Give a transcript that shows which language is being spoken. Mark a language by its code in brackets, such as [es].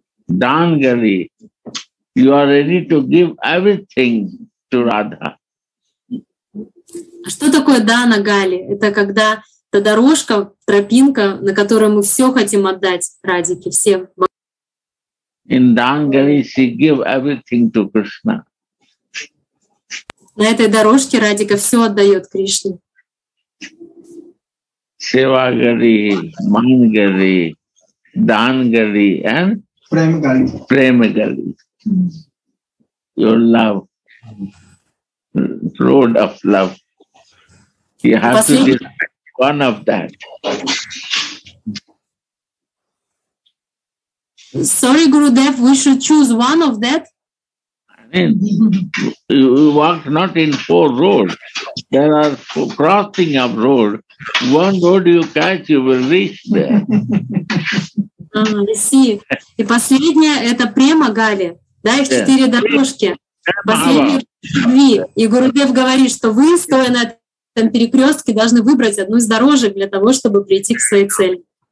[en] Dangali, you are ready to give everything to Radha. [ru] Что такое Данагали? Это когда та дорожка, тропинка, на которой мы все хотим отдать Радике, всем. [en] In Dangali, she give everything to Krishna. [ru] На этой дорожке Радика все отдает Кришне. [en] Севагали, Мангали, Дангали, and Premagali. Your love. Road of love. You have to decide one of that. Sorry, Gurudev, we should choose one of that. I mean, you walk not in four roads. There are four crossing of road. One road you catch, you will reach there. [ru] И последнее — это према-гали, да, их четыре дорожки. Последние любви. И Гурудев говорит, что вы, стоя на этом перекрестке, должны выбрать одну из дорожек для того, чтобы прийти к своей цели.